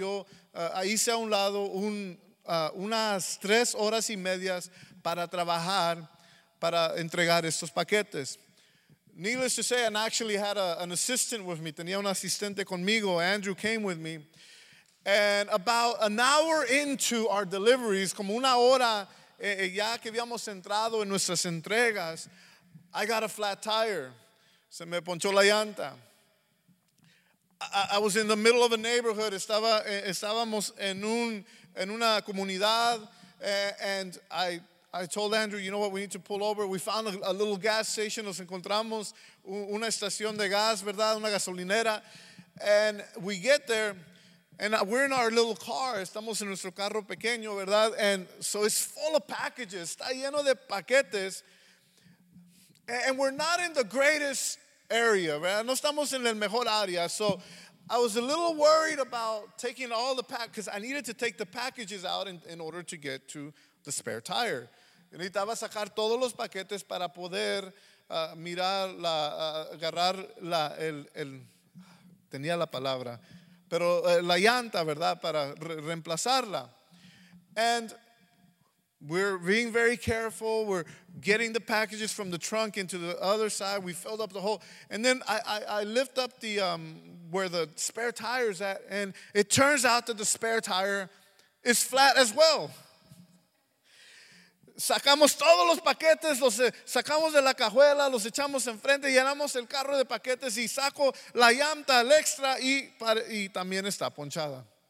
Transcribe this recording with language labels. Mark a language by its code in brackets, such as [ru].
[es] Yo hice a un lado unas 3 horas y medias para trabajar, para entregar estos paquetes. [en] Needless to say, I actually had an assistant with me. [es] Tenía un asistente conmigo. [en] Andrew came with me. And about an hour into our deliveries, [es] como una hora ya que habíamos entrado en nuestras entregas, [en] I got a flat tire. [es] Se me ponchó la llanta. [en] I was in the middle of a neighborhood. [es] Estábamos en una comunidad. [en] And I told Andrew, you know what, we need to pull over. We found a little gas station. [es] Nos encontramos una estación de gas, ¿verdad? Una gasolinera. [en] And we get there. And we're in our little car. [es] Estamos en nuestro carro pequeño, ¿verdad? [en] And so it's full of packages. Está lleno de paquetes. And we're not in the greatest area, ¿verdad? [es] No estamos en el mejor área. [en] So I was a little worried about taking all the packages because I needed to take the packages out in order to get to the spare tire. [es] Yo necesitaba sacar todos los paquetes para poder agarrar la, el tenía la palabra. Pero la llanta, ¿verdad? Para reemplazarla. [en] And we're being very careful. We're getting the packages from the trunk into the other side. We filled up the hole. And then I lift up the where the spare tire is at. And it turns out that the spare tire is flat as well. [es] Sacamos todos los paquetes, los sacamos de la cajuela, los echamos enfrente, llenamos el carro de paquetes y saco la llanta, el extra, y también está ponchada.